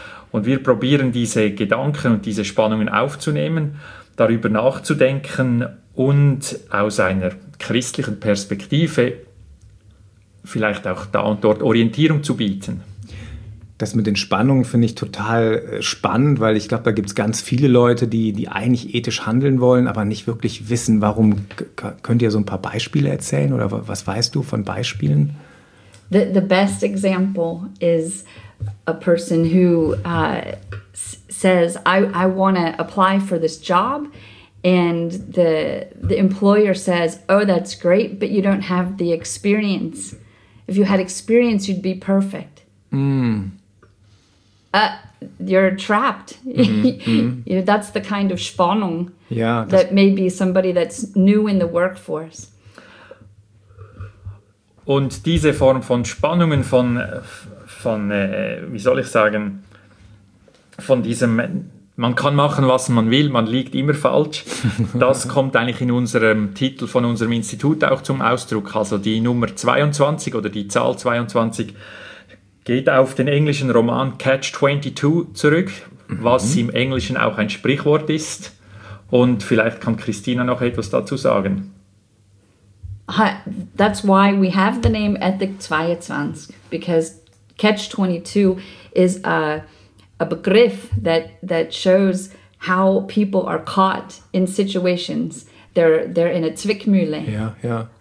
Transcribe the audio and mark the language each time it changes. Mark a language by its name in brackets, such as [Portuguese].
[German] Und wir probieren, diese Gedanken und diese Spannungen aufzunehmen, darüber nachzudenken und aus einer christlichen Perspektive vielleicht auch da und dort Orientierung zu bieten. Das mit den Spannungen finde ich total spannend, weil ich glaube, da gibt es ganz viele Leute, die eigentlich ethisch handeln wollen, aber nicht wirklich wissen, warum. Könnt ihr so ein paar Beispiele erzählen oder was weißt du von Beispielen? [English] The best example is a person who says, I want to apply for this job and the employer says, oh, that's great, but you don't have the experience. If you had experience, you'd be perfect. You're trapped. Mm-hmm. You know, that's the kind of Spannung, yeah, that may be somebody that's new in the workforce. [German] Und diese Form von Spannungen, wie soll ich sagen, von diesem, man kann machen, was man will, man liegt immer falsch, das kommt eigentlich in unserem Titel von unserem Institut auch zum Ausdruck. Also die Nummer 22 oder die Zahl 22 geht auf den englischen Roman Catch 22 zurück, was im Englischen auch ein Sprichwort ist. Und vielleicht kann Christina noch etwas dazu sagen. [English] That's why we have the name Ethik 22, because Catch 22 is a Begriff that shows how people are caught in situations. They're in a Zwickmühle. [German] Ja, ja.